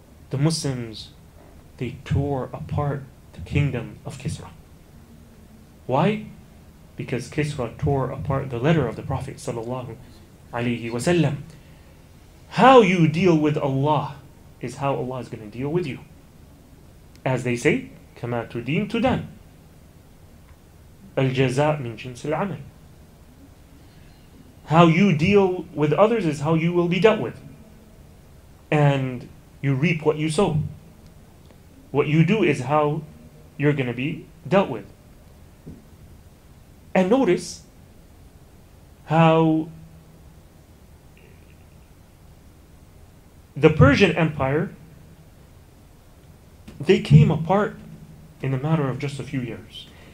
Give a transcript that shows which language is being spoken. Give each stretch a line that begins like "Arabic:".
English: The Muslims, they tore apart the kingdom of Kisra. Why? Because Kisra tore apart the letter of the Prophet sallallahu alaihi wasallam. How you deal with Allah is how Allah is going to deal with you. As they say,
Arabic: كما تدين تدان الجزاء من جنس العمل.
English: How you deal with others is how you will be dealt with. And you reap what you sow. What you do is how you're going to be dealt with. And notice how the Persian Empire, they came apart in a matter of just a few years.